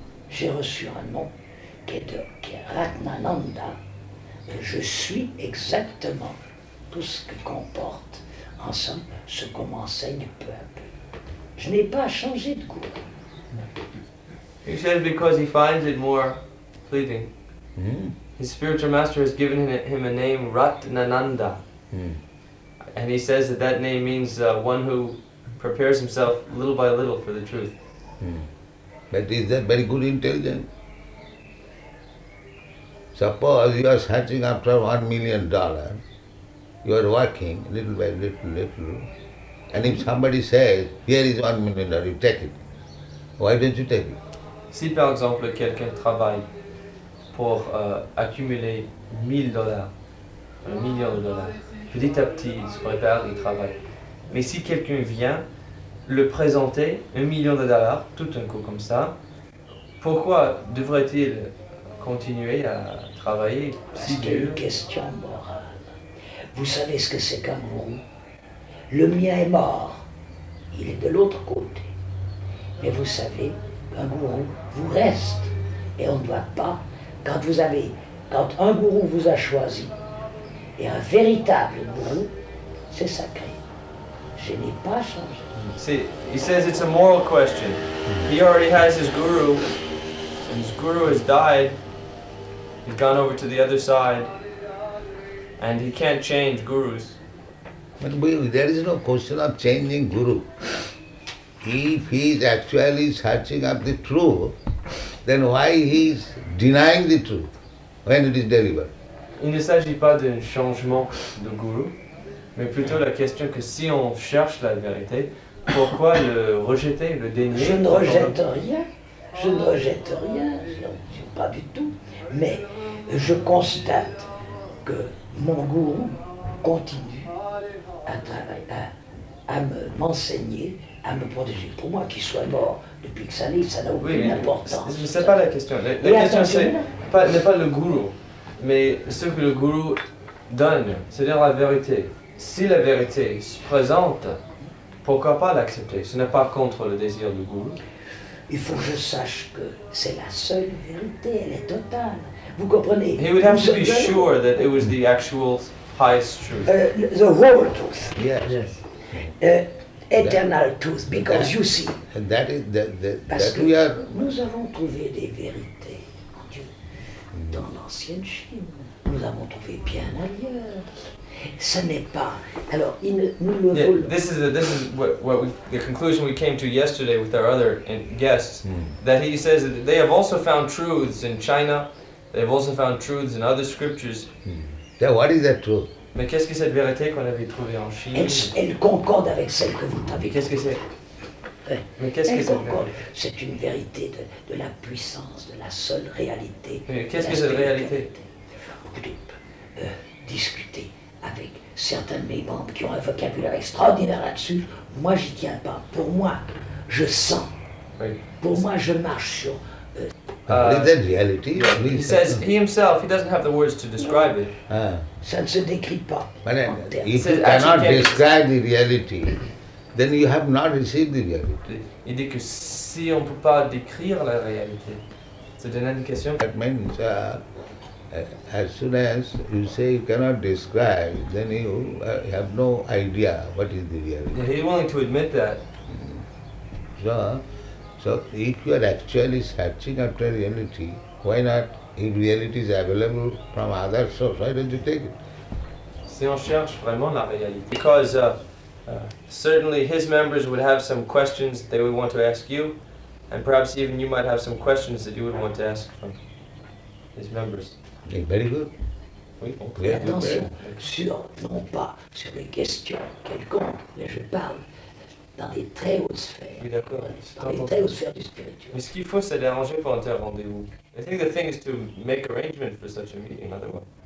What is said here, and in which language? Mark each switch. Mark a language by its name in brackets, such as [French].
[French] J'ai reçu un nom qui est Ratnananda. Je suis exactement tout ce que comporte en somme ce qu'on m'enseigne peu à peu. Je n'ai pas changé de cours. [English] He says because he finds it more pleading. His spiritual master has given him a name, Ratnananda. And he says that that name means one who prepares himself little by little for the truth. But is that very good intelligence? Suppose you are searching after $1,000,000, you are working little by little, and if somebody says, here is $1,000,000, you take it. Why don't you take it? [French] Si par exemple quelqu'un travaille pour accumuler $1,000,000, petit à petit, il se prépare, il travaille. Mais si quelqu'un vient le présenter $1,000,000, tout un coup comme ça, Pourquoi devrait-il continuer à travailler? Parce qu'il y a une question morale. Vous savez ce que c'est qu'un gourou? Le mien est mort. Il est de l'autre côté. Mais vous savez, un gourou vous reste. Et on ne doit pas, quand un gourou vous a choisi, et un véritable gourou, c'est sacré. Je n'ai pas changé. [English] See, he says it's a moral question. He already has his guru, and his guru has died. He's gone over to the other side, and he can't change gurus. But really, there is no question of changing guru. If he is actually searching up the truth, then why he is denying the truth when it is delivered? [French] Il ne s'agit pas d'un changement de guru, mais plutôt la question que si on cherche la vérité, pourquoi le rejeter, le dénier? Je ne rejette rien. Je ne rejette rien. Pas du tout. Mais je constate que mon gourou continue à travailler, à m'enseigner, à me protéger. Pour moi, qu'il soit mort depuis que ça n'est, ça n'a aucune importance. C'est pas la question. La question, n'est pas le gourou, mais ce que le gourou donne, c'est-à-dire la vérité. Si la vérité se présente, pourquoi pas l'accepter? Ce n'est pas contre le désir du gourou. Il faut que je sache que c'est la seule vérité, elle est totale. Vous comprenez? [English] He would have to be sure that it was the actual highest truth. The whole truth. Yes. Eternal truth, because that, you see. And that is that we are. [French] Nous avons trouvé des vérités en Dieu dans l'ancienne Chine. Nous avons trouvé bien ailleurs. Ce n'est pas. Alors, nous le voulons. [English] This is what the conclusion we came to yesterday with our other guests. Mm. That he says that they have also found truths in China. They have also found truths in other scriptures. Mm. What is that truth? [French] Mais qu'est-ce que cette vérité qu'on avait trouvée en Chine? Elle concorde avec celle que vous avez. Qu'est-ce que c'est? Mais qu'est-ce elle que concorde. C'est une vérité de la puissance, de la seule réalité. Mais qu'est-ce que cette réalité? Discuter avec certains de mes membres qui ont un vocabulaire extraordinaire là-dessus, moi j'y tiens pas. Pour moi, je sens. Oui. Pour moi, je marche sur. [English] Reality, he says he himself, he doesn't have the words to describe it. [French] Ça ne se décrit pas. [English] If you cannot describe the reality, then you have not received the reality. [French] Il dit que si on peut pas décrire la réalité, c'est une indication. [English] That means, as soon as you say you cannot describe, then you have no idea what is the reality. Yeah, he's willing to admit that. So if you are actually searching after reality, why not, if reality is available from other source, why don't you take it? [French] Si on cherche vraiment la réalité. [English] Because certainly his members would have some questions they would want to ask you, and perhaps even you might have some questions that you would want to ask from his members. Very good. [French] Oui, [English] okay. [French] Attention, sur, non pas sur les questions quelconques, mais je parle dans les très hautes sphères. Oui, d'accord. Dans les très hautes sphères du spirituel. Mais ce qu'il faut, c'est d'arranger pour un tel rendez-vous. [English] I think the thing is to make arrangement for such a meeting, otherwise.